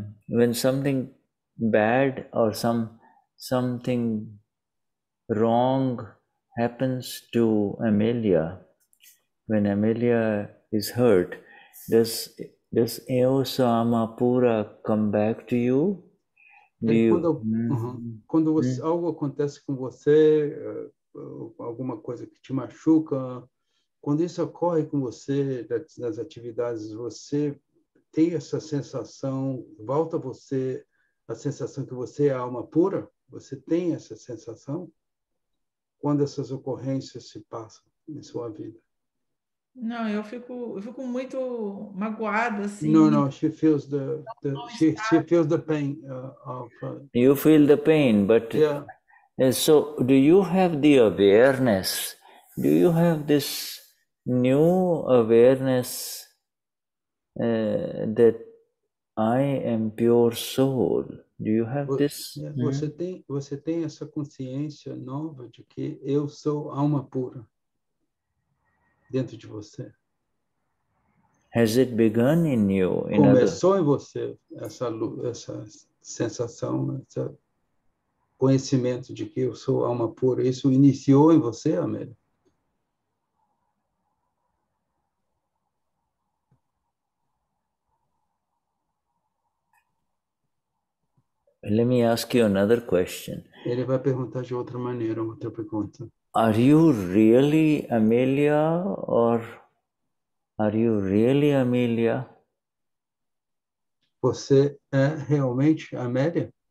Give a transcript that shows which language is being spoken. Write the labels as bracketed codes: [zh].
[en] When something bad or something wrong happens to Amélia, when Amélia is hurt, does Eosa Amapura come back to you? [pt] Algo acontece com você, alguma coisa que te machuca, quando isso ocorre com você nas atividades, você tem essa sensação, volta você a sensação que você é alma pura? Você tem essa sensação quando essas ocorrências se passam em sua vida? Não, eu fico muito magoada assim. [en] No, she feels she feels the pain of. You feel the pain, but yeah. So do you have the awareness? Do you have this new awareness that I am pure soul? Do you have this? [pt] Você tem essa consciência nova de que eu sou alma pura. dentro de você? [en] Has it begun in you? [pt] Começou em você essa essa sensação, esse conhecimento de que eu sou alma pura? Isso iniciou em você, Amélia? [en] Let me ask you another question. [pt] Ele vai perguntar de outra maneira, outra pergunta. [en] Are you really Amelia or are you really Amelia? [pt] Você é realmente Amélia?